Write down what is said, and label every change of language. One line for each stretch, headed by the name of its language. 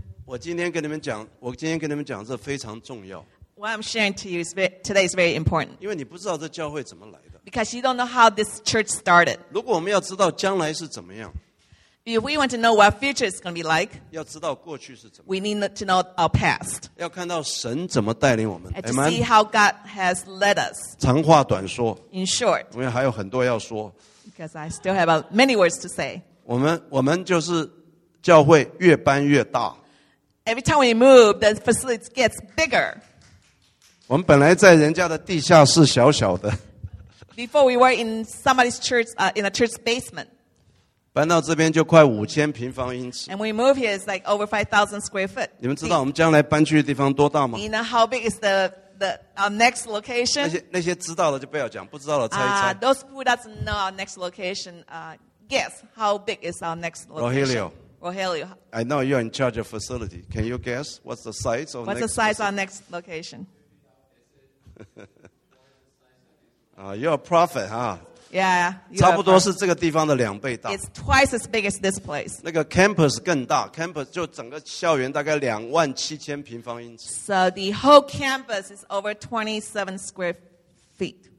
Chinese: 我今天跟你们讲这非常重要。
English: What I'm sharing to you today is very important.
Chinese: 因为你不知道这教会怎么来的。
English: Because you don't know how this church started.
Chinese: 如果我们要知道将来是怎么样。
English: If we want to know what future is going to be like,
Chinese: 要知道过去是怎么。
English: We need to know our past.
Chinese: 要看到神怎么带领我们。
English: And to see how God has led us.
Chinese: 长话短说。
English: In short.
Chinese: 因为还有很多要说。
English: Because I still have many words to say.
Chinese: 我们就是教会越搬越大。
English: Every time we move, the facility gets bigger.
Chinese: 我们本来在人家的地下室小小的。
English: Before we were in somebody's church, in a church basement.
Chinese: 搬到这边就快5000平方英尺。
English: And we move here is like over 5,000 square foot.
Chinese: 你们知道我们将来搬去的地方多大吗？
English: You know how big is the next location?
Chinese: 那些知道了就不要讲，不知道了猜一猜。
English: Those who doesn't know our next location, guess how big is our next location? Rogelio. I know you're in charge of facility. Can you guess what's the size of our next location? you're a prophet, huh? Yeah,
Chinese: 差不多是这个地方的两倍大。
English: It's twice as big as this place.
Chinese: 那个 campus 更大 ，campus 就整个校园大概27000平方英尺。
English: So the whole campus is over 27 square feet.